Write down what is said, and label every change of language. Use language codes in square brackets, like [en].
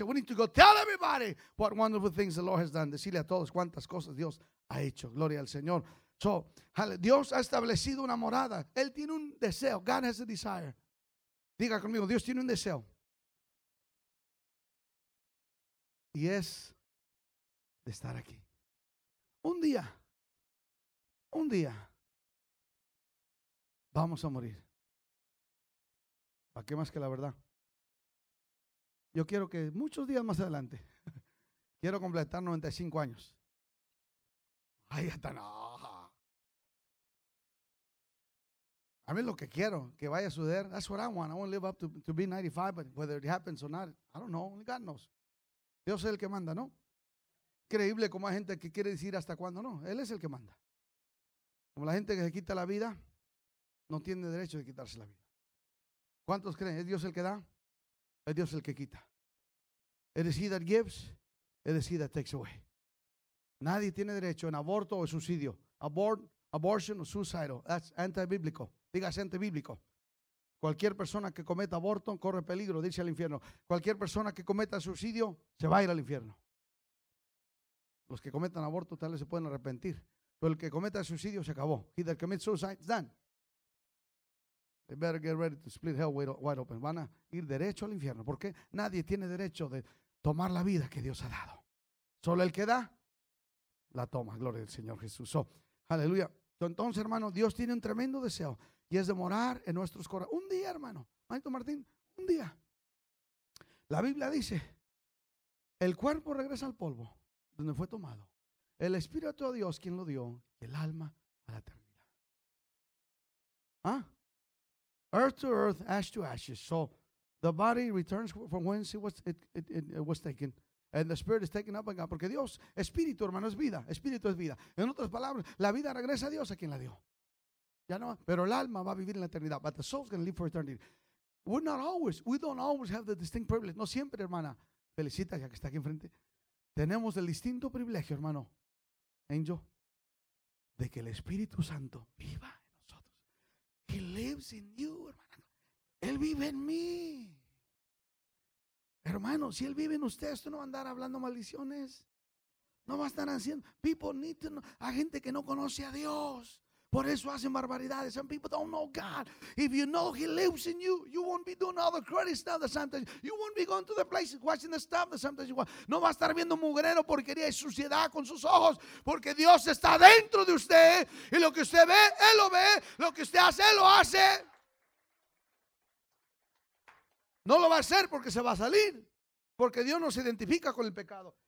[en] We need to go tell everybody what wonderful things the Lord has done. [es] Decirle a todos cuántas cosas Dios ha hecho. Gloria al Señor. So, Dios ha establecido una morada. Él tiene un deseo. [en] God has a desire. [es] Diga conmigo, Dios tiene un deseo. Y es de estar aquí. Un día, vamos a morir. ¿Para qué más que la verdad? Yo quiero que muchos días más adelante, quiero completar 95 años. Ahí está, no. A mí lo que quiero, que vaya a suceder. [en] That's what I want. I want to live up to be 95, but whether it happens or not, I don't know. Only God knows. [es] Dios es el que manda, ¿no? Increíble como hay gente que quiere decir hasta cuándo, no. Él es el que manda. Como la gente que se quita la vida, no tiene derecho de quitarse la vida. ¿Cuántos creen? ¿Es Dios el que da? ¿Es Dios el que quita? [en] It is he that gives, it is he that takes away. [es] Nadie tiene derecho en aborto o suicidio. Abortion o suicidal. That's anti-bíblico. Diga gente bíblico. Cualquier persona que cometa aborto corre peligro, dice el infierno. Cualquier persona que cometa suicidio se va a ir al infierno. Los que cometan aborto tal vez se pueden arrepentir. Pero el que cometa suicidio se acabó. [en] He that commits suicide is done. They better get ready to split hell wide open. [es] Van a ir derecho al infierno. ¿Por qué? Nadie tiene derecho de tomar la vida que Dios ha dado. Solo el que da, la toma. Gloria al Señor Jesús. Aleluya. Entonces, hermano, Dios tiene un tremendo deseo y es de morar en nuestros corazones. Un día, hermano, Maito Martín, un día. La Biblia dice, el cuerpo regresa al polvo donde fue tomado el espíritu a Dios, quien lo dio, y el alma a la eternidad. [en] ¿Ah? Earth to earth, ash to ashes. So the body returns from whence it was taken, and the spirit is taken up again. [es] Porque Dios, espíritu, hermano, es vida. Espíritu es vida. En otras palabras, la vida regresa a Dios a quien la dio. Ya no, pero el alma va a vivir en la eternidad. [en] But the soul is going to live for eternity. We don't always have the distinct privilege. [es] No siempre, hermana. Felicita, ya que está aquí enfrente. Tenemos el distinto privilegio, hermano. Angel. De que el Espíritu Santo viva en nosotros. [en] He lives in you, [es] hermana. Él vive en mí. Hermano, si Él vive en usted, esto no va a andar hablando maldiciones. No va a estar haciendo. [en] People need to know. [es] Hay gente que no conoce a Dios. Por eso hacen barbaridades. [en] Some people don't know God. If you know He lives in you, you won't be doing all the crazy stuff that sometimes you won't be going to the places watching the stuff that sometimes you want. [es] No va a estar viendo mugrero, porquería y suciedad con sus ojos, porque Dios está dentro de usted, y lo que usted ve, Él lo ve. Lo que usted hace, Él lo hace. No lo va a hacer porque se va a salir, porque Dios no se identifica con el pecado.